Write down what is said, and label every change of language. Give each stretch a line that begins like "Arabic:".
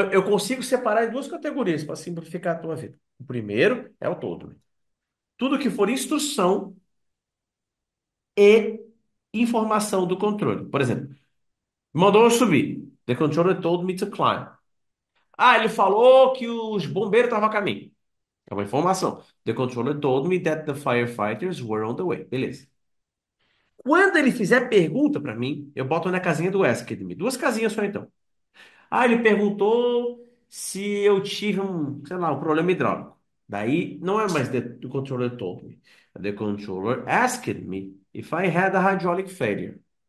Portuguese: Então eu consigo separar em duas categorias para simplificar a tua vida. O primeiro é o todo. Tudo que for instrução e informação do controle. Por exemplo, mandou eu subir.
English: The controller told me to climb.
Portuguese: Ah, ele falou que os bombeiros estavam a caminho. É uma informação.
English: The controller told me that the firefighters were on the way.
Portuguese: Beleza. Quando ele fizer pergunta para mim, eu boto na casinha do ask me. Duas casinhas só então. Ah, ele perguntou. Se eu tive um, sei lá, um problema hidráulico. Daí não é mais
English: the controller told me. The controller asked me if I had a hydraulic failure.